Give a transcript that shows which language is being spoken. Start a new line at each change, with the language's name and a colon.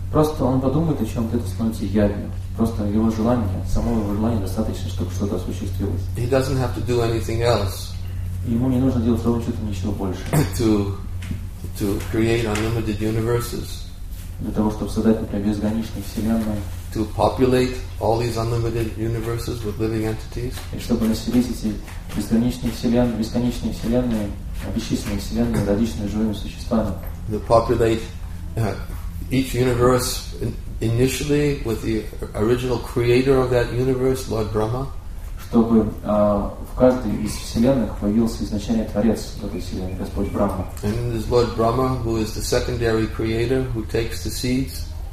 Russian: Просто он подумает о чем-то, это становится явью. Просто его желание, само его желание достаточно, чтобы что-то осуществилось.
English: He doesn't have to do anything else.
Russian: Ему не нужно делать того, что-то ничего больше.
English: To create unlimited universes.
Russian: Для того, чтобы создать, например, безграничные вселенные.
English: To populate all these unlimited universes with living entities.
Russian: И чтобы населить эти бесконечные вселенные, бесчисленные вселенные различными живыми существами.
English: To populate each universe initially with the original creator of that universe, Lord Brahma.
Russian: Чтобы в каждой из вселенных появился изначально Творец этой вселенной, Господь Брахма.
English: And then there's Lord Brahma, who is the secondary creator, who takes the seeds.